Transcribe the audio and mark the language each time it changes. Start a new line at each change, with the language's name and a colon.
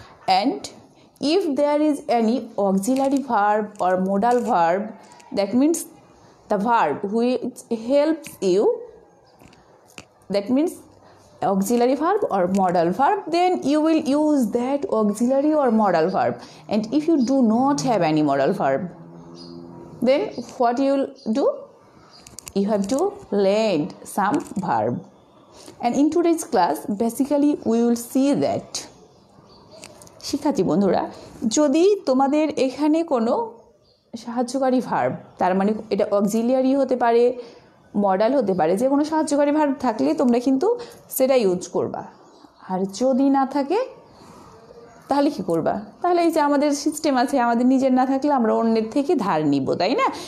English: And if there is any auxiliary verb or modal verb, that means the verb which helps you, that means auxiliary verb or modal verb, then you will use that auxiliary or modal verb. And if you do not have any modal verb, then what you will do? You have to learn some verb. And in today's class, basically, we will see that.
Bangla: শিখাচ্ছি বন্ধুরা, যদি তোমাদের এখানে কোনো সাহায্যকারী verb, তার মানে এটা auxiliary হতে পারে, মডেল হতে পারে, যে কোনো সাহায্যকারী ভার্ব থাকলে তোমরা কিন্তু সেটা ইউজ করবা। আর যদি না থাকে তাহলে কী করবা, তাহলে এই যে আমাদের সিস্টেম আছে, আমাদের নিজের না থাকলে আমরা অন্যের থেকে ধার নিব, তাই না?